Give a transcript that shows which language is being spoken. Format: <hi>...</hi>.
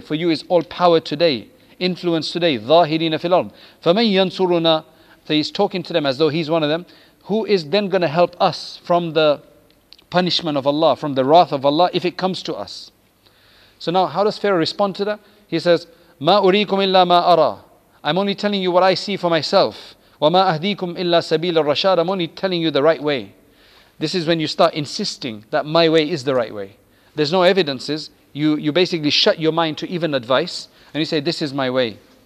<en>For you is all power today. Influence today.</en> <ar>ظَاهِرِينَ فِي الْأَرْضِ. فَمَنْ يَنْصُرُنَا.</ar> <en>So he's talking to them as though he's one of them. Who is then going to help us from the punishment of Allah, from the wrath of Allah, if it comes to us. So now, how does Pharaoh respond to that? He says,</en> <ar>مَا أُرِيكُمْ إِلَّا مَا أَرَىٰ.</ar> <en>I'm only telling you what I see for myself.</en> <ar>وَمَا أَهْدِيكُمْ إِلَّا سَبِيلَ الرَّشَادَ.</ar> <en>I'm only telling you the right way. This is when you start insisting that my way is the right way. There's no evidences. You basically shut your mind to even advice, and you say, this is my way.</en>